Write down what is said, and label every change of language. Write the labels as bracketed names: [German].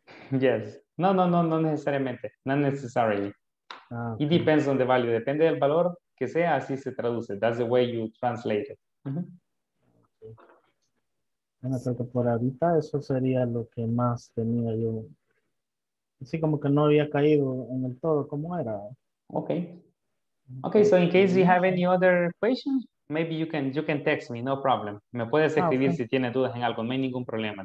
[English] Yes. [Spanish] No, no, no, no necesariamente. [English] Not necessarily. It depends on the value. [Spanish] Depende del valor que sea, así se traduce. [English] That's the way you translate it. [Spanish] Bueno, creo que por ahorita eso sería lo que más tenía yo. Así como que no había caído en el todo, ¿cómo era? [English] Okay. Okay, so in case you have any other questions, maybe you can text me, no problem. [Spanish] Me puedes escribir si tienes dudas en algo, no hay ningún problema.